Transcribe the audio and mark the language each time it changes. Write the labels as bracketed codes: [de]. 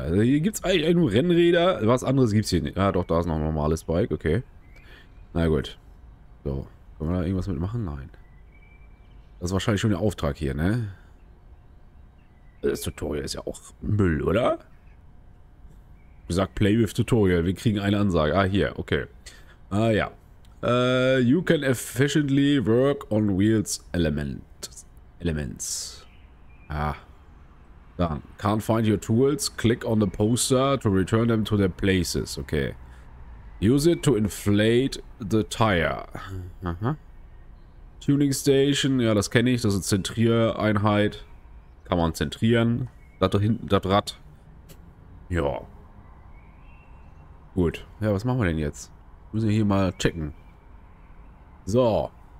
[de] Also hier gibt es eigentlich nur Rennräder. Was anderes gibt es hier nicht. Ja, doch, da ist noch ein normales Bike. Okay. Na gut. So. Können wir da irgendwas mitmachen? Nein. Das ist wahrscheinlich schon der Auftrag hier, ne? Das Tutorial ist ja auch Müll, oder? Wie gesagt, Play with Tutorial. Wir kriegen eine Ansage. Ah, hier. Okay. Ah, ja. [en] You can efficiently work on wheels elements. Ah. Dann, can't find your tools, click on the poster to return them to their places. Okay. Use it to inflate the tire. Aha. [de] Tuning Station, ja, das kenne ich, das ist eine Zentriereinheit. Kann man zentrieren. Da hinten, das Rad. Ja. Gut. Ja, was machen wir denn jetzt? Müssen wir hier mal checken. So.